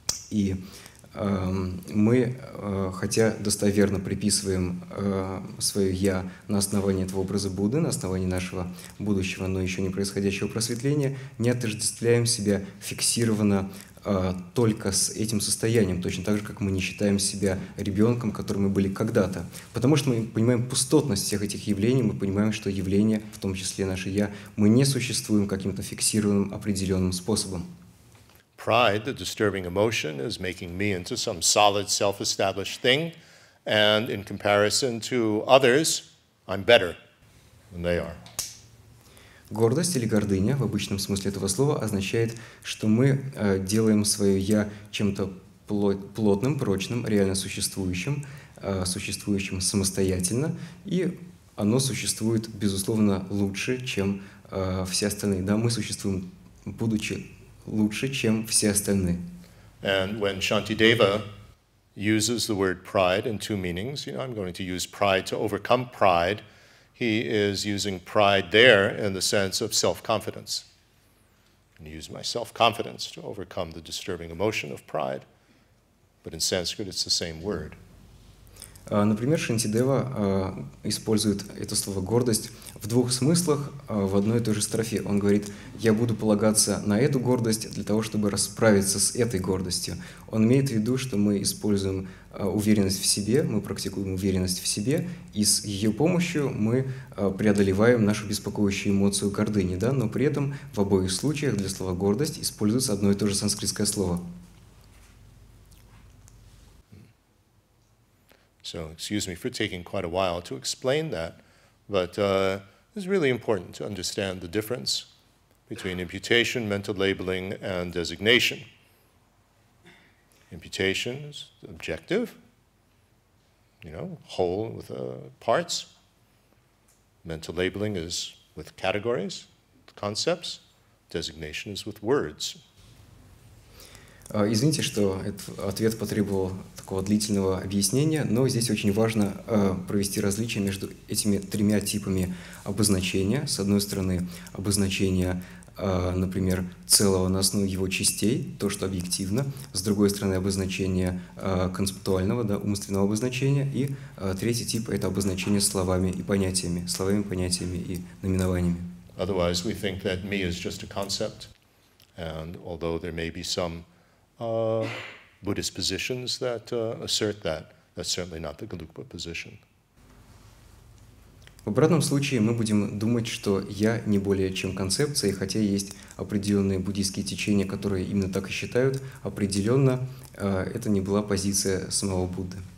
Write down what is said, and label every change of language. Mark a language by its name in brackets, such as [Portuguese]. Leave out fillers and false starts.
[Russian] И мы, хотя достоверно приписываем свое «я» на основании этого образа Будды, на основании нашего будущего, но еще не происходящего просветления, не отождествляем себя фиксированно только с этим состоянием, точно так же, как мы не считаем себя ребенком, которым мы были когда-то. Потому что мы понимаем пустотность всех этих явлений, мы понимаем, что явление, в том числе наше «я», мы не существуем каким-то фиксированным определенным способом. [English] Pride, the disturbing emotion, is making me into some solid, self-established thing, and in comparison to others, I'm better than they are. [Russian] Гордость или гордыня в обычном смысле этого слова означает, что мы делаем свое «я» чем-то плотным, прочным, реально существующим, существующим самостоятельно, и оно существует, безусловно, лучше, чем все остальные. Да, мы существуем, будучи лучше, чем все остальные. [English] And when Shantideva uses the word pride in two meanings, you know, I'm going to use pride to overcome pride, he is using pride there in the sense of self-confidence. And use my self-confidence to overcome the disturbing emotion of pride. But in Sanskrit, it's the same word. [Russian] Например, Шантидева использует это слово «гордость» в двух смыслах в одной и той же строфе. Он говорит, я буду полагаться на эту гордость для того, чтобы расправиться с этой гордостью. Он имеет в виду, что мы используем уверенность в себе, мы практикуем уверенность в себе, и с ее помощью мы преодолеваем нашу беспокоящую эмоцию гордыни. Да? Но при этом в обоих случаях для слова «гордость» используется одно и то же санскритское слово. [English] So, excuse me for taking quite a while to explain that, but it's really important to understand the difference between imputation, mental labeling, and designation. Imputation is objective, you know, whole with parts. Mental labeling is with categories, concepts. Designation is with words. [Russian] Извините, что этот ответ потребовал такого длительного объяснения, но здесь очень важно провести различие между этими тремя типами обозначения. С одной стороны, обозначение, например, целого на основе его частей, то, что объективно. С другой стороны, обозначение концептуального, да, умственного обозначения. И третий тип – это обозначение словами и понятиями, словами, понятиями и наименованиями. [English] Otherwise, we think that me is just a concept, and although there may be some Buddhist positions that assert that. That's certainly not the Gelugpa position. [Russian] В обратном случае мы будем думать, что «я» не более чем концепция, хотя есть определенные буддийские течения, которые именно так и считают. Определенно, это не была позиция самого Будды.